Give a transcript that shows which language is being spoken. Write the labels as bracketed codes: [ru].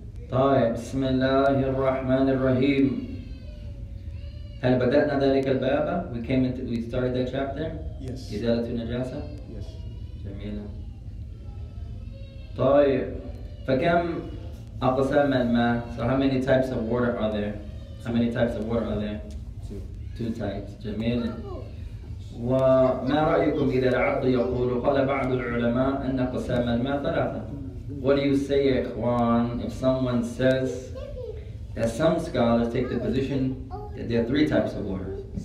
[ar] طيب بسم الله الرحمن الرحيم. هل بدأنا ذلك الباب? [en] We came into, we started that chapter. Yes. [ar] إزالة النجاسة. [en] Yes. [ar] جميل. طيب فكم أقسام الماء. [en] So how many types of water are there? Two types. [ar] جميل. وما رأيكم إذا العبد يقول قال بعض العلماء أن أقسام الماء ثلاثة. [en] What do you say, إخوان, if someone says that some scholars take the position that there are three types of water?